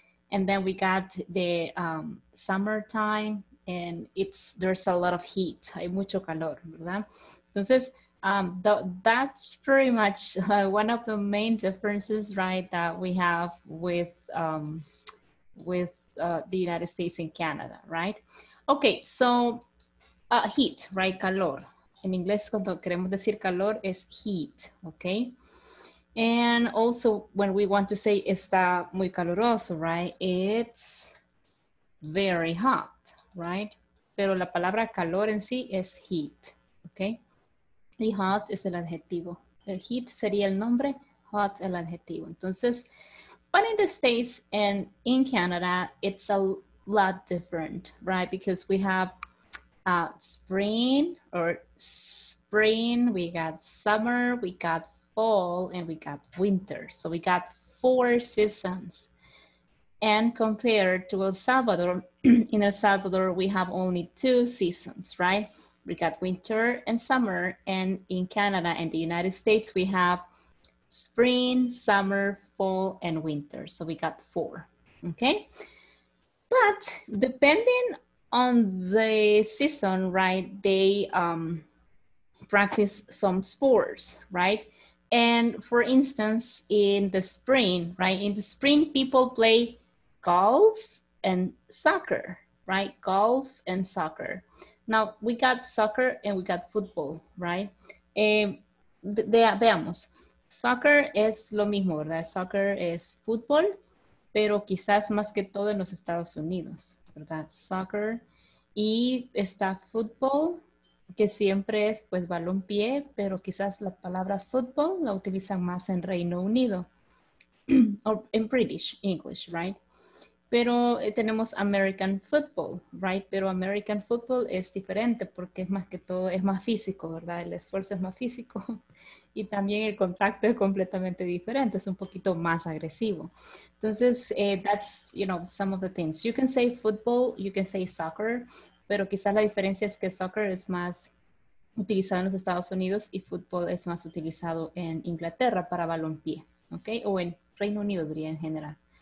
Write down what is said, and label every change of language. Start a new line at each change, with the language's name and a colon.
English: And then we got the summertime and there's a lot of heat.
Spanish: Hay mucho calor, ¿verdad?
English: Entonces, that's pretty much one of the main differences, right, that we have with the United States and Canada, right? Okay, so heat, right, calor.
Spanish: En inglés, cuando queremos decir calor, es heat, okay?
English: And also, when we want to say
Spanish: está muy caluroso,
English: right, it's very hot, right?
Spanish: Pero la palabra calor en sí es heat, okay? Y hot es el adjetivo. El heat sería el nombre, hot el adjetivo.
English: Entonces, but in the States and in Canada, it's a lot different, right? Because we have spring, we got summer, we got fall, and we got winter. So we got 4 seasons. And compared to El Salvador, in El Salvador, we have only 2 seasons, right? We got winter and summer, and in Canada and the United States, we have spring, summer, fall, and winter. So we got 4, okay? But depending on the season, right, they practice some sports, right? And for instance, in the spring, right, in the spring, people play golf and soccer, right? Golf and soccer. Now, we got soccer and we got football, right?
Spanish: Veamos, soccer es lo mismo, ¿verdad? Soccer es fútbol, pero quizás más que todo en los Estados Unidos, ¿verdad? Soccer. Y está fútbol, que siempre es, pues, balompié, pero quizás la palabra fútbol la utilizan más en Reino Unido.
English: Or in British English, right?
Spanish: Pero tenemos American football, right? Pero American football es diferente porque es más que todo, es más físico, ¿verdad? El esfuerzo es más físico y también el contacto es completamente diferente, es un poquito más agresivo.
English: Entonces, that's, you know, some of the things. You can say football, you can say soccer,
Spanish: pero quizás la diferencia es que soccer es más utilizado en los Estados Unidos y football es más utilizado en Inglaterra para balompié, okay? O en Reino Unido, diría en general.